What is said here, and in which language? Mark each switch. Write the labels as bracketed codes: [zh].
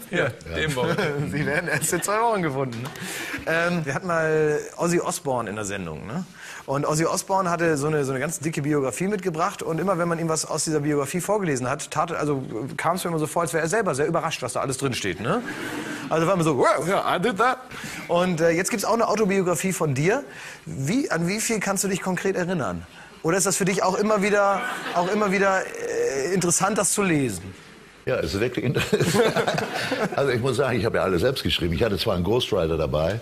[de] Hier, ja, dem Wochen. Sie werden erst in 2 Wochen gefunden. Wir hatten mal Ozzy Osbourne in der Sendung, ne? Und Ozzy Osbourne hatte so eine ganz dicke Biografie mitgebracht. Und immer, wenn man ihm was aus dieser Biografie vorgelesen hat, kam es mir immer so vor, als wäre er selber sehr überrascht, was da alles drinsteht, ne? Also war immer so, [en] wow, yeah, I did that. [de] Und jetzt gibt es auch eine Autobiografie von dir. An wie viel kannst du dich konkret erinnern? Oder ist das für dich auch immer wieder interessant, das zu lesen? Ja, es ist wirklich interessant. Also ich muss sagen, ich habe ja alles selbst geschrieben. Ich hatte zwar einen Ghostwriter dabei,